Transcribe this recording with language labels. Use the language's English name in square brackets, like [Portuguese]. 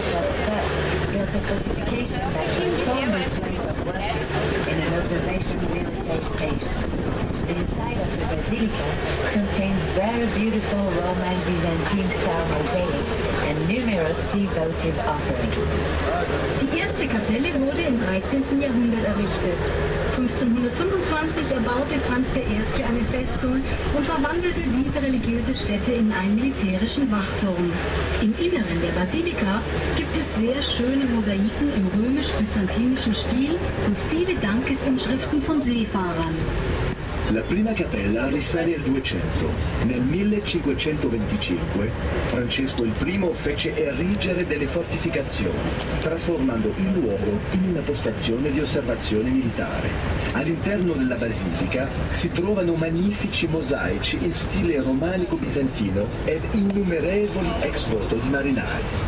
[English] A fortification that transformed this place of worship in an observation military station. The inside of the basilica contains very beautiful Roman Byzantine style mosaic and numerous votive offerings. [German] Die erste Kapelle wurde im 13. Jahrhundert errichtet. 1525 erbaute Franz I. eine Festung und verwandelte diese religiöse Stätte in einen militärischen Wachturm. Im Inneren der Basilika gibt es sehr schöne Mosaiken im römisch-byzantinischen Stil und viele Dankesinschriften von Seefahrern. [Italian] La prima cappella risale al 200. Nel 1525, Francesco I fece erigere delle fortificazioni, trasformando il luogo in una postazione di osservazione militare. All'interno della basilica si trovano magnifici mosaici in stile romanico-bizantino ed innumerevoli ex voto di marinai.